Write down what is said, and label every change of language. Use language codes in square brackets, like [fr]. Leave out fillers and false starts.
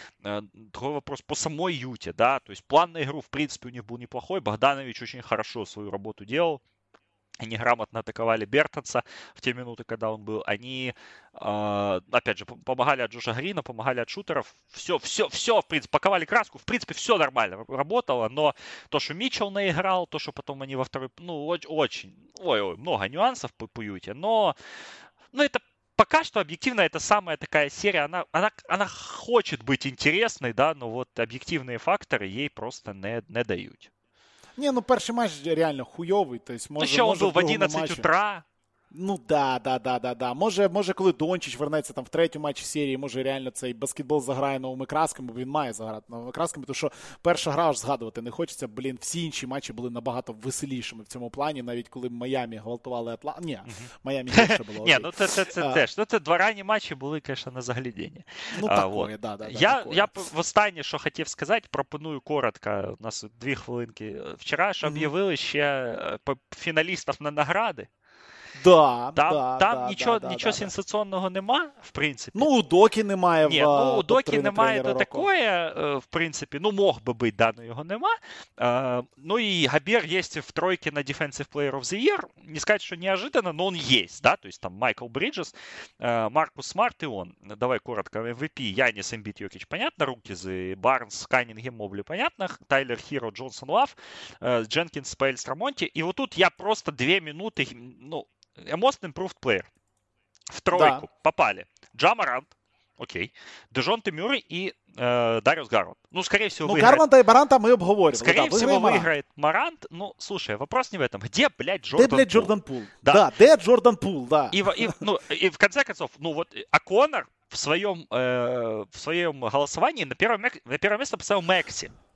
[ru] Другой вопрос по самой Юте, да, то есть план на игру, в принципе, у них был неплохой, Богданович очень хорошо свою работу делал, они грамотно атаковали Бертонса в те минуты, когда он был, они, опять же, помогали от Джоша Грина, помогали от шутеров, все, в принципе, паковали краску, в принципе, все нормально работало, но то, что Митчелл наиграл, то, что потом они во второй, ну, очень, много нюансов по Юте, но, ну, это... Пока что объективно это самая такая серия, она хочет быть интересной, да, но вот объективные факторы ей просто не дают. Не, ну перший матч реально хуёвый, то есть может, ну, может в 11 матчу. Утра. Ну да. [uk] Може, коли Дончич вернеться там в третьому матчі серії, може реально цей баскетбол заграє новими красками, бо він має заграти новими красками, тому що перша гра аж згадувати не хочеться. Блін, всі інші матчі були набагато веселішими в цьому плані, навіть коли Майами гвалтували Атланту. Ні, Майами не ще було. Ні, ну це теж. Ну це два ранні матчі були, звісно, на загляденні. [ru] Ну такое, да. [uk] Я в останнє, що хотів сказати, пропоную коротко, у нас дві хвилинки. Вчора ж об'явили ще фіналістів на награди. Да, нічого сенсаційного нема, в принципі. Ну, у Докі немає. Ні, у Докі немає до такого, в принципі. Ну, мог би бути, да, але його нема. Ну, і Габєр є в тройці на Defensive Player of the Year. Не сказати, що неожиданно, але він є. Да? Тобто там Майкл Бріджес, Маркус Смарт і він. Давай коротко. MVP, Яніс, Ембіт, Йокіч, понятно. Рукіз, Барнс, Каннінгем, Мобли, понятно. Тайлер Хіро, Джонсон Лав, Дженкінс, Спейлстра, Монті. І отут я просто дві минути, ну, Most Improved Player. В тройку да. Попали. Джа Морант, окей. Дежонте Мюррей і Даріус Гарланд. [ru] Ну, скорее всего, ну, выиграет. Ну, Гарланда и Моранта мы обговорим. Скорее да, всего, выиграет Морант. Ну, слушай, вопрос не в этом. Где, блядь, Джордан Пул? Где, блядь, Джордан Пул? Да, где Джордан Пул, да. И в конце концов, ну, вот О'Коннор в своем голосовании на первое место поставил Мэкси.